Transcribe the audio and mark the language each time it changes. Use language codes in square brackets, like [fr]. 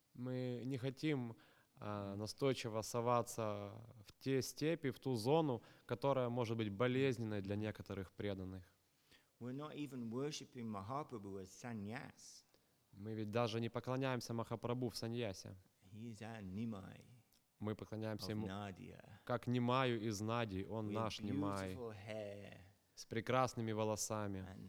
[ru] Мы не хотим настойчиво соваться в те степи, в ту зону, которая может быть болезненной для некоторых преданных. [en] We're not even worshiping Mahaprabhu as sannyas. [ru] Мы ведь даже не поклоняемся Махапрабху в саньясе. [en] He is our Nimai. [ru] Мы поклоняемся ему как Нимаю из Нади. Он наш Нимай. С прекрасными волосами.